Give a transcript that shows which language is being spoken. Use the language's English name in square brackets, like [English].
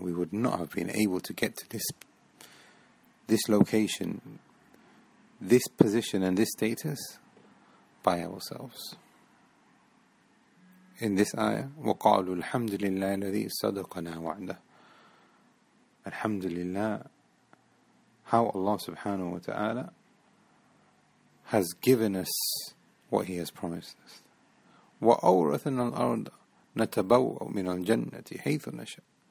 [English] We would not have been able to get to this location, this position and this status by ourselves. In this ayah, [Arabic] وَقَالُوا الْحَمْدُ لِلَّهِ الَّذِي صَدَقَنَا وَعْدَهُ. [English] Alhamdulillah, how Allah subhanahu wa ta'ala has given us what He has promised us. [Arabic] وَأَوْرَثَنَا الْأَرْضَ نَتَبَوَّأُ مِنَ الْجَنَّةِ حَيْثُ نَشَأُ.